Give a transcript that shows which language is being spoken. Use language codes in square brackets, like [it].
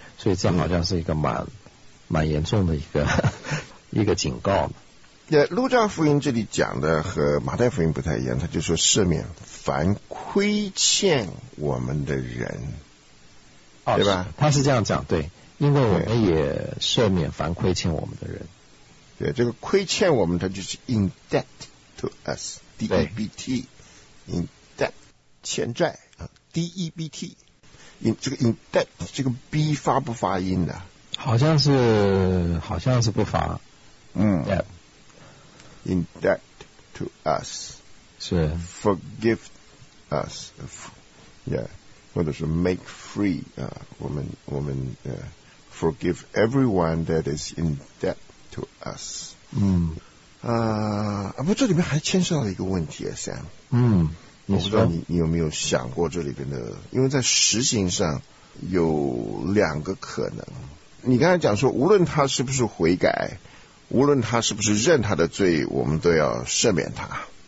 [zh] 所以这好像是一个蛮严重的一个警告。那路加福音这里讲的和马太福音不太一样，他就说赦免凡亏欠我们的人。哦，对吧？他是这样讲，对，因为我们也赦免凡亏欠我们的人。对，这个亏欠我们，他就是 in debt to us, debt, in debt, 欠债啊， debt。这个 in debt 这个 b 发不发音的？好像是不发。嗯， [en] debt in debt to us [zh] 是 [en] forgive us, yeah, 或者是 make free 啊，我们 forgive everyone that is in debt to us。嗯， [zh] 不，这里面还牵涉到一个问题啊 ，Sam。嗯，我不知道你有没有想过这里边的，因为在实行上有两个可能。你刚才讲说，无论他是不是悔改，无论他是不是认他的罪，我们都要赦免他。